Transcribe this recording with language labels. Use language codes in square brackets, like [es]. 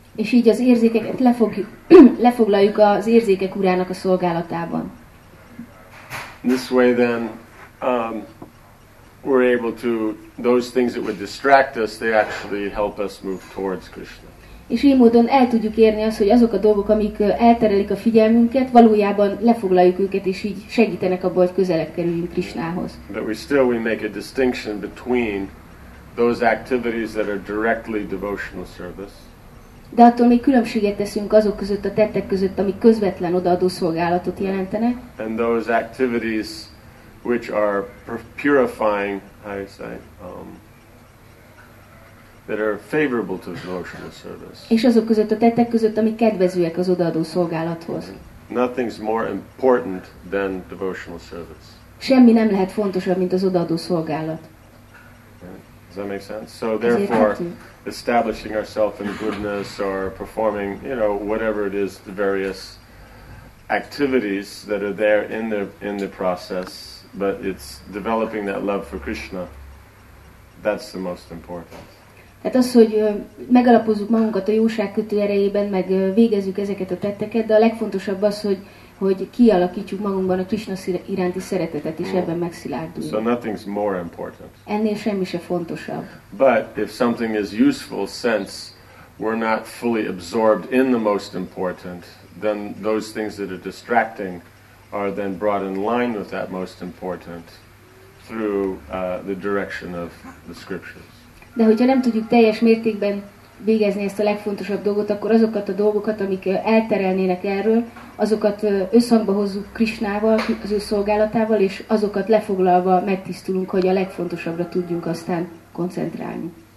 [hu] És így az érzékeket lefoglaljuk az érzékek urának a szolgálatában. [en] This way then we're able to those things that would distract us, they actually help us move towards Krishna. [hu] És így módon el tudjuk érni azt, hogy azok a dolgok, amik elterelik a figyelmünket, valójában lefoglaljuk őket, és így segítenek abban, hogy közelebb kerüljünk Krishnához. [en] But we still we make a distinction between those activities that are directly devotional service. [hu] De attól még különbséget teszünk azok között a tettek között, amik közvetlen odaadó szolgálatot jelentenek. [en] And those activities which are purifying, how you say, that are favorable to devotional service. [hu] És azok között a tettek között, amik kedvezőek az odaadó szolgálathoz. [en] Nothing's more important than devotional service. [hu] Semmi nem lehet fontosabb, mint az odaadó szolgálat. [en] Okay. Does that make sense? So therefore, establishing ourselves in goodness or performing, you know, whatever it is, the various activities that are there in the process. But it's developing that love for Krishna. That's the most important. [hu] Tehát az, hogy megalapozzuk magunkat a jóságkötő erejében, meg végezzük ezeket a tetteket, de a legfontosabb az, hogy kialakítsuk magunkban a Krishna iránti szeretetet, és ebben megszilárduljunk. [en] So nothing's more important. [hu] Ennél semmi se fontosabb. [en] But if something is useful since we're not fully absorbed in the most important, then those things that are distracting are then brought in line with that most important through the direction of the scriptures. [hu] De hogyha nem tudjuk teljes mértékben végezni ezt a legfontosabb dolgot, akkor azokat a dolgokat, amik elterelnének erről, azokat összhangba hozzuk Krishnával, az ő szolgálatával, és azokat lefoglalva megtisztulunk, hogy a legfontosabbra tudjunk aztán koncentrálni.